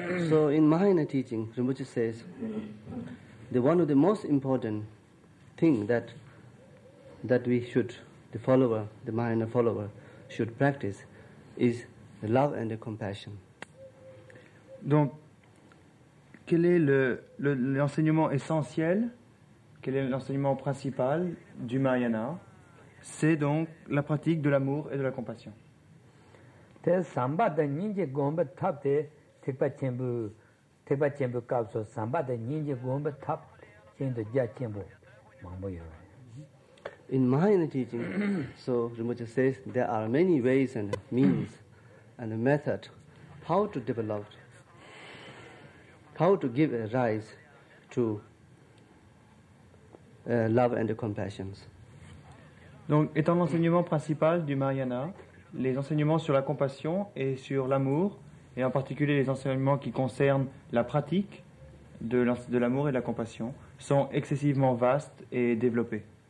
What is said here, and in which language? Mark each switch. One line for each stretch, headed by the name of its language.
English: So in Mahayana teaching, Rinpoche says, the one of the most important thing that we should, the Mahayana follower, should practice is the love and the compassion.
French: Donc, quel est l'enseignement essentiel, quel est l'enseignement principal du Mahayana? C'est donc la pratique de l'amour et de la compassion.
English: In Mahayana teaching, so Rinpoche says, there are many ways and means and methods how to develop, how to give a rise to love and compassion.
French: Donc, étant l'enseignement principal du Mahayana, les enseignements sur la compassion et sur l'amour, et en particulier les enseignements qui concernent la pratique de l'amour et de la compassion, sont excessivement vastes et développés.